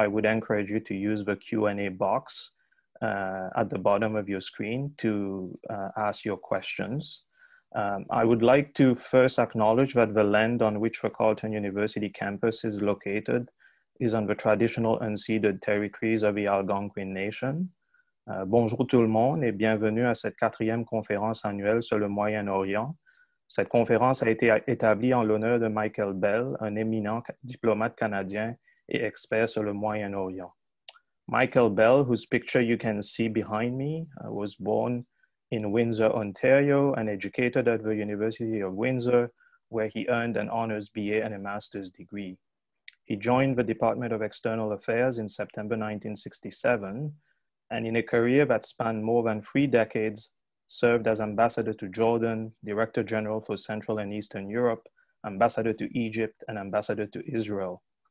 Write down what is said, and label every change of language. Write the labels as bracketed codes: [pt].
[en] I would encourage you to use the Q&A box at the bottom of your screen to ask your questions. I would like to first acknowledge that the land on which the Carleton University campus is located is on the traditional unceded territories of the Algonquin Nation. [fr] Bonjour tout le monde et bienvenue à cette quatrième conférence annuelle sur le Moyen-Orient. Cette conférence a été établie en l'honneur de Michael Bell, un éminent diplomate canadien et expert sur le Moyen-Orient. [en] Michael Bell, whose picture you can see behind me, was born in Windsor, Ontario, and educated at the University of Windsor, where he earned an honors BA and a master's degree. He joined the Department of External Affairs in September 1967, and in a career that spanned more than three decades, served as ambassador to Jordan, director general for Central and Eastern Europe, ambassador to Egypt, and ambassador to Israel.